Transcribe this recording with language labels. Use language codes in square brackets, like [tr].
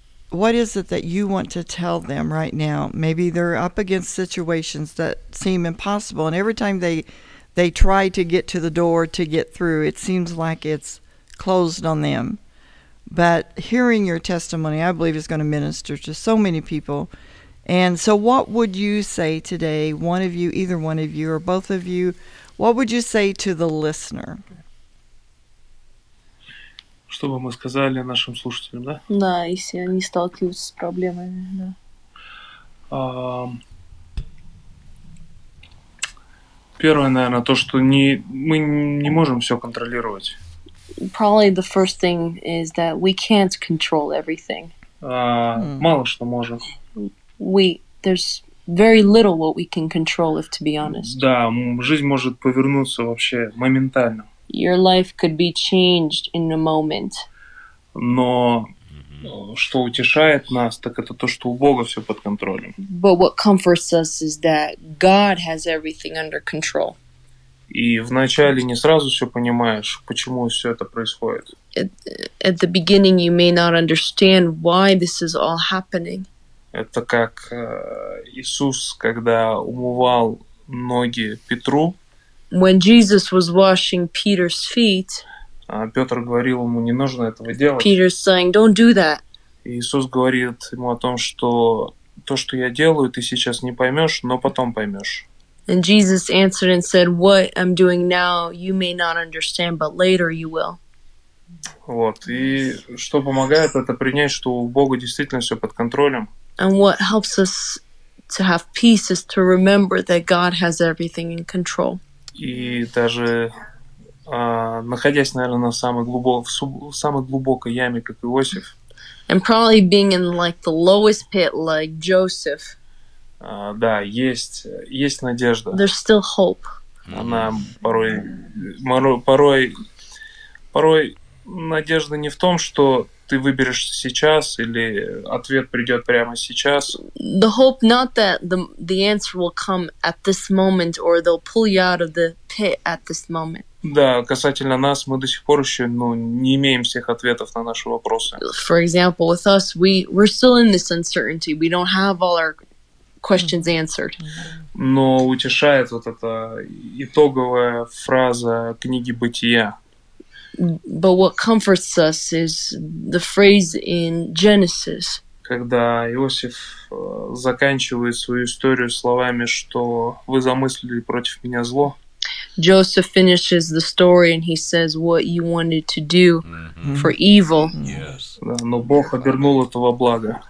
[en] What is it that you want to tell them right now? Maybe they're up against situations that seem impossible, and every time they try to get to the door to get through, it seems like it's closed on them. But hearing your testimony, I believe, is going to minister to so many people. And so what would you say today, one of you, either one of you or both of you, what would you say to the listener? [ru] Что бы мы сказали нашим слушателям, да? Да, если они сталкиваются с проблемами, да. Первое, наверное, то, что мы не можем все контролировать. [en] Probably the first thing is that we can't control everything. [ru] Мало что можем. [en] There's very little what we can control, if to be honest. [ru] Да, жизнь может повернуться вообще моментально. [en] Your life could be changed in a moment. [ru] Но что утешает нас, так это то, что у Бога все под контролем. [en] But what comforts us is that God has everything under control. [ru] И вначале не сразу все понимаешь, почему все это происходит. [en] At the beginning you may not understand why this is all happening. [ru] Это как Иисус, когда умывал ноги Петру. [en] When Jesus was washing Peter's feet, [ru] Петр говорил ему, не нужно этого делать. [en] Peter's saying, don't do that. [ru] Иисус говорит ему о том, что то, что я делаю, ты сейчас не поймешь, но потом поймешь. [en] And Jesus answered and said, what I'm doing now, you may not understand, but later you will. [ru] Вот. И что помогает, это принять, что у Бога действительно все под контролем. [en] And what helps us to have peace is to remember that God has everything in control. [ru] И даже находясь, наверное, на самой глубокой яме, как Иосиф. [en] And probably being in like the lowest pit, like Joseph. [ru] Да, есть надежда. [en] There's still hope. [ru] Она порой надежда не в том, что ты выберешься сейчас или ответ придет прямо сейчас. [en] The hope not that the answer will come at this moment or they'll pull you out of the pit at this moment. [ru] Да, касательно нас, мы до сих пор еще, не имеем всех ответов на наши вопросы. [en] For example, with us, we're still in this uncertainty. We don't have all our questions answered. [ru] Но утешает вот эта итоговая фраза книги Бытия. [en] But what comforts us is the phrase in Genesis. [ru] Когда Иосиф заканчивает свою историю словами, что вы замыслили против меня зло. [en] Joseph finishes the story and he says what you wanted to do mm-hmm. for evil. Yes. [ru] Да, но Бог обернул это во благо.